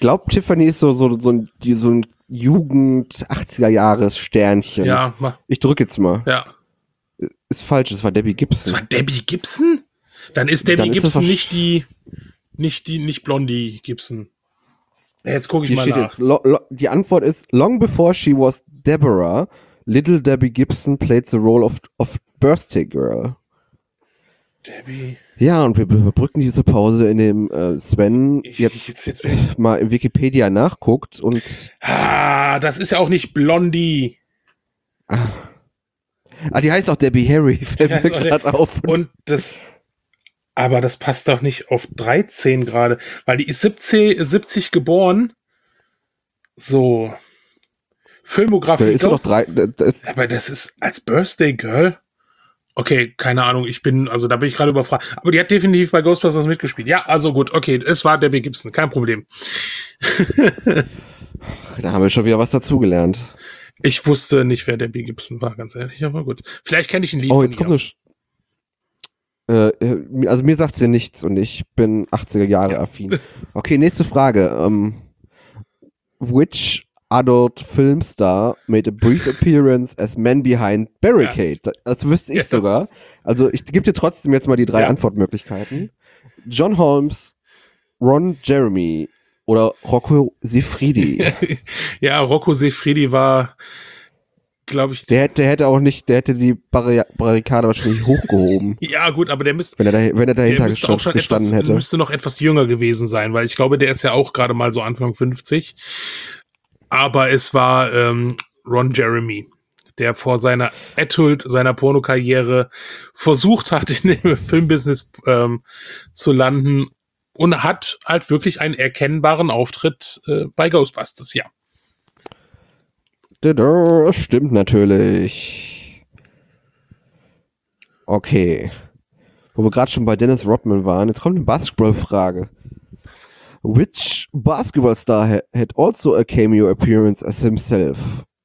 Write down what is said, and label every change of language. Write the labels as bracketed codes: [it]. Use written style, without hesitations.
[de] glaube, Tiffany ist so ein Jugend-80er-Jahres-Sternchen. Ja, ich drücke jetzt mal. Ja. Ist falsch, es war Debbie Gibson. Es war Debbie Gibson? Dann ist Debbie Dann Gibson ist nicht die... Nicht die, nicht Blondie Gibson. Jetzt gucke ich hier mal nach. Die Antwort ist, [en] long before she was Deborah, little Debbie Gibson played the role of Birthday Girl. [de] Debbie. Ja, und wir überbrücken diese Pause, in dem Sven jetzt mal in Wikipedia nachguckt und... Das ist ja auch nicht Blondie. Die heißt auch Debbie Harry, fällt mir gerade auf. Und das... Aber das passt doch nicht auf 13 gerade, weil die ist 70 geboren. So. Filmografie. Ist doch drei, das aber das ist als Birthday Girl. Okay, keine Ahnung. Da bin ich gerade überfragt. Aber die hat definitiv bei Ghostbusters mitgespielt. Ja, also gut. Okay, es war Debbie Gibson. Kein Problem. Da haben wir schon wieder was dazugelernt. Ich wusste nicht, wer Debbie Gibson war, ganz ehrlich. Aber gut. Vielleicht kenne ich ein Lied von ihr. Also mir sagt sie nichts und ich bin 80er Jahre affin. Okay, nächste Frage. [en] Which adult film star made a brief appearance as man behind Barricade? [de] Ja. Das wüsste ich sogar. Also ich gebe dir trotzdem jetzt mal die drei Antwortmöglichkeiten. John Holmes, Ron Jeremy oder Rocco Siffredi. Ja, Rocco Siffredi war... glaube ich. Der hätte die Barrikade wahrscheinlich hochgehoben. Ja, gut, aber der müsste... Wenn er dahinter gestanden hätte. Müsste noch etwas jünger gewesen sein, weil ich glaube, der ist ja auch gerade mal so Anfang 50. Aber es war Ron Jeremy, der vor seiner Pornokarriere versucht hat, in dem Filmbusiness zu landen und hat halt wirklich einen erkennbaren Auftritt bei Ghostbusters, ja. Das stimmt natürlich. Okay. Wo wir gerade schon bei Dennis Rodman waren, jetzt kommt eine Basketball-Frage. [en] Which Basketball-Star had also a cameo appearance as himself?